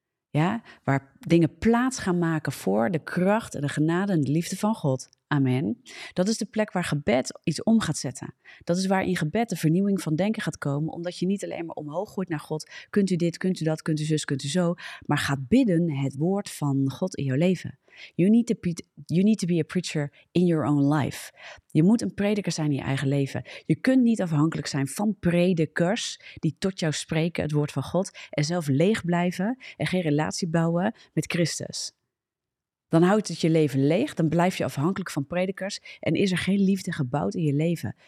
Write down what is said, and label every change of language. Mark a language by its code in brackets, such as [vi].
[nl] Ja, waar dingen plaats gaan maken voor de kracht en de genade en de liefde van God. Amen. Dat is de plek waar gebed iets om gaat zetten. Dat is waar in gebed de vernieuwing van denken gaat komen. Omdat je niet alleen maar omhoog gooit naar God. Kunt u dit, kunt u dat, kunt u zus, kunt u zo. Maar gaat bidden het woord van God in jouw leven. [en] You need to be a preacher in your own life. [nl] Je moet een prediker zijn in je eigen leven. Je kunt niet afhankelijk zijn van predikers die tot jou spreken het woord van God. En zelf leeg blijven en geen relatie bouwen met Christus. Dan houdt het je leven leeg, dan blijf je afhankelijk van predikers en is er geen liefde gebouwd in je leven.